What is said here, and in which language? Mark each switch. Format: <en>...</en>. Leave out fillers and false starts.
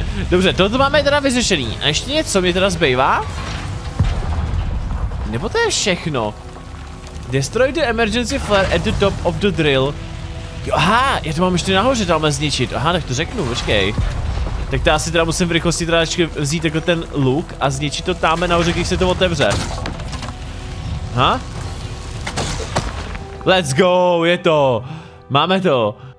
<cs>Dobře, toto máme teda vyřešený. A ještě něco mi teda zbývá? Nebo to je všechno?</cs> <en>Destroy the emergency flare at the top of the drill.</en> <cs>Jo, aha, já to mám ještě nahoře tamhle zničit. Aha, tak to řeknu, počkej. Tak to asi teda musím v rychlosti teda vzít jako ten luk a zničit to tamhle nahoře, když se to otevře. Ha?</cs> <en>Let's go,</en> <cs>je to. Máme to.</cs>